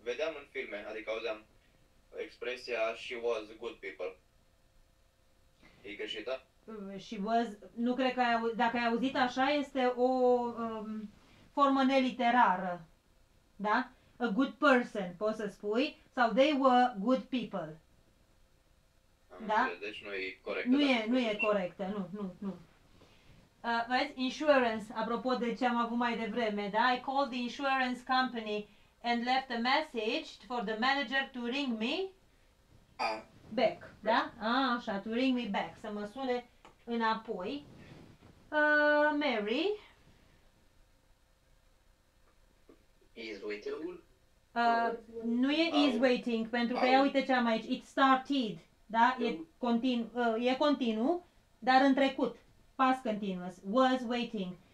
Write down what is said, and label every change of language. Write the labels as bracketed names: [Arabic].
[Romanian] Vedeam în filme, adică auzeam expresia [English] she was good people. [Romanian] E greșită? [English] She was, [Romanian] nu cred că ai auzit, dacă ai auzit așa, este o formă neliterară. Da? [English] A good person, [Romanian] poți să spui, sau [English] they were good people. [Romanian] Da? Deci nu e corectă. Nu. Vezi, insurance, apropo de ce am avut mai devreme, da? [English] I called the insurance company and left a message for the manager to ring me back, [Romanian] da? Ah, așa, [English] to ring me back, [Romanian] să mă sune înapoi. [English] Mary. Is waiting? [Romanian] Nu e [English] is waiting, [Romanian] pentru că ia uite ce am aici, [English] it started. [Romanian] Da? E continuu, dar în trecut, [English] past continuous, was waiting.